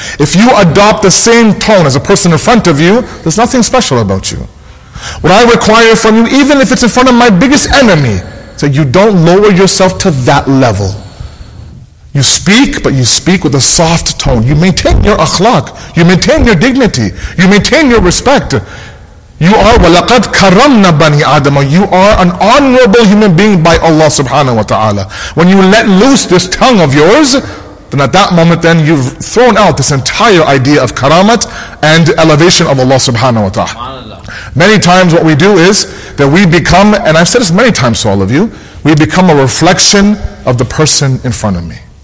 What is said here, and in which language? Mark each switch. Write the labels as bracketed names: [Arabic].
[English] If you adopt the same tone as a person in front of you, there's nothing special about you. What I require from you, even if it's in front of my biggest enemy, is that you don't lower yourself to that level. You speak, but you speak with a soft tone. You maintain your akhlaq. You maintain your dignity. You maintain your respect. You are [Arabic] وَلَقَدْ كَرَمْنَا بَنِي آدَمَ. [English] You are an honorable human being by Allah subhanahu wa ta'ala. When you let loose this tongue of yours, then at that moment then you've thrown out this entire idea of karamat and elevation of Allah subhanahu wa ta'ala. Many times what we do is that we become, and I've said this many times to all of you, we become a reflection of the person in front of me.